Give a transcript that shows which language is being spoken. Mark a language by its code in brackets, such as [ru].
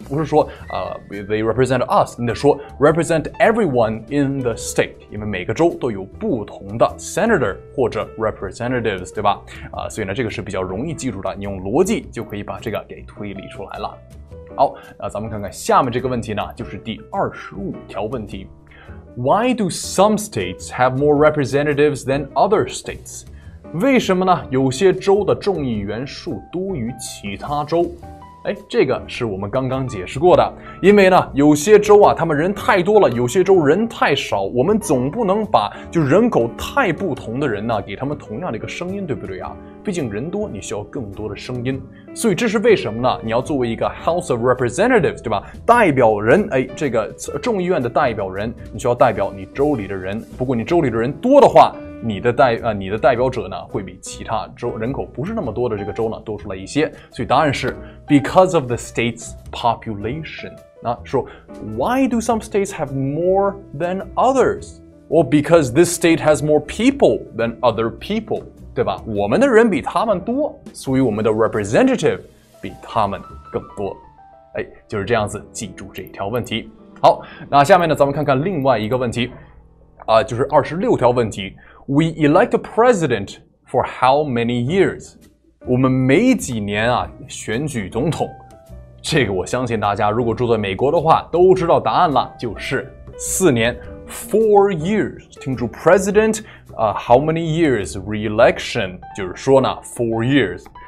[zh] 不是说 they represent us, 你得说 represent everyone in the state, 因为每个州都有不同的 senator 或者 representatives, 对吧？所以呢这个是比较容易记住的，你用逻辑就可以把这个给推理出来了。好，那咱们看看下面这个问题呢，就是第25条问题。 [en] Why do some states have more representatives than other states? [zh] 为什么呢？有些州的众议员数多于其他州。这个是我们刚刚解释过的，因为呢有些州啊他们人太多了，有些州人太少，我们总不能把就人口太不同的人呢给他们同样的一个声音，对不对啊？毕竟人多你需要更多的声音。所以这是为什么呢？你要作为一个 House of Representatives，对吧？代表人，哎，这个众议院的代表人，你需要代表你州里的人。不过你州里的人多的话，你的代表者呢，会比其他州人口不是那么多的这个州呢多出来一些。 [en] 所以答案是 because of the state's population。那说 why do some states have more than others？ Well, because this state has more people than other people。 [zh] 对吧？我们的人比他们多，所以我们的 representative 比他们更多。哎，就是这样子，记住这条问题。好，那下面呢，咱们看看另外一个问题，就是26条问题。 [en] We elect a president for how many years？ [zh] 我们每几年啊选举总统？这个我相信大家如果住在美国的话，都知道答案了，就是四年。 [en] Four years，听住，president， how many years re-election？ [zh] 就是说呢 ， four years。